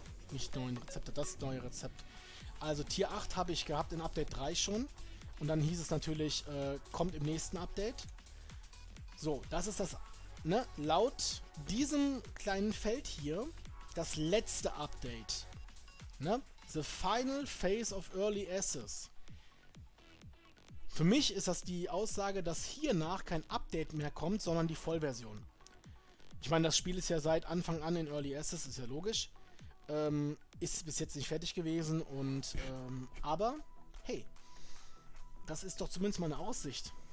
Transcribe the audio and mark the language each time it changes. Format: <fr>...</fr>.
<de>Nicht neuen Rezepte, das neue Rezept. Also Tier 8 habe ich gehabt in Update 3 schon. Und dann hieß es natürlich, kommt im nächsten Update. So, das ist das, ne, laut diesem kleinen Feld hier, das letzte Update. Ne?</de> <en>The final phase of early access.</en> <de>Für mich ist das die Aussage, dass hiernach kein Update mehr kommt, sondern die Vollversion. Ich meine, das Spiel ist ja seit Anfang an in Early Access, ist ja logisch. Ist bis jetzt nicht fertig gewesen und, aber, hey, das ist doch zumindest meine Aussicht.</de>